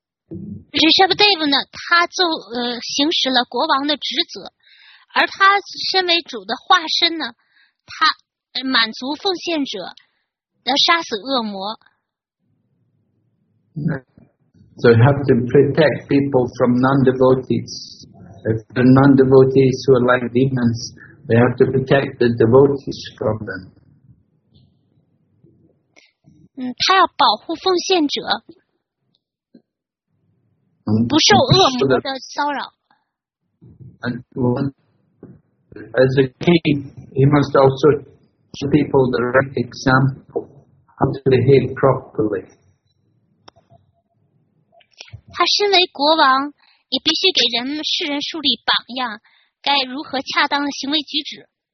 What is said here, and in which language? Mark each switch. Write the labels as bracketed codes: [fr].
[zh] Rishabhdev 呢，他就行使了国王的职责，而他身为主的化身呢，他满足奉献者，要杀死恶魔。 [en] So you have to protect people from non-devotees. If they're non-devotees who are like demons, they have to protect the devotees from them. [zh] 他要保护奉献者，不受恶魔的骚扰。 [en] And as a king, he must also show people the right example how to behave properly. [zh] 他身为国王，也必须给人们世人树立榜样，该如何恰当的行为举止。